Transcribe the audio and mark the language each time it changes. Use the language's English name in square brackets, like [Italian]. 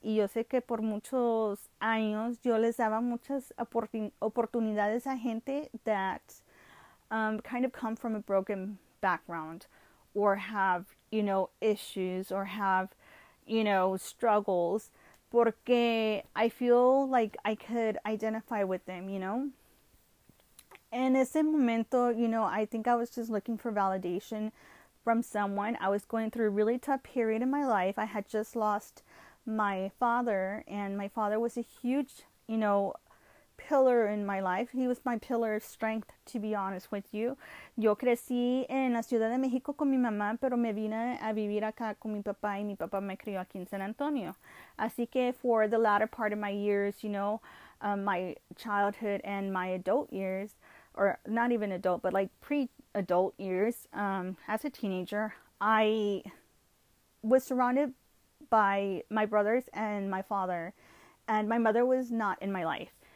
[Spanish] Y yo sé que por muchos años yo les daba muchas oportunidades a gente [English] that kind of come from a broken background or have, issues or have, struggles, porque I feel like I could identify with them, And in ese momento, I think I was just looking for validation from someone. I was going through a really tough period in my life. I had just lost my father, and my father was a huge, pillar in my life. He was my pillar of strength, to be honest with you. [Spanish] Yo crecí en la Ciudad de México con mi mamá, pero me vine a vivir acá con mi papá y mi papá me crió aquí en San Antonio. Así que [English] for the latter part of my years, my childhood and my adult years, or not even adult, but like pre-adult years, as a teenager, I was surrounded by my brothers and my father, and my mother was not in my life.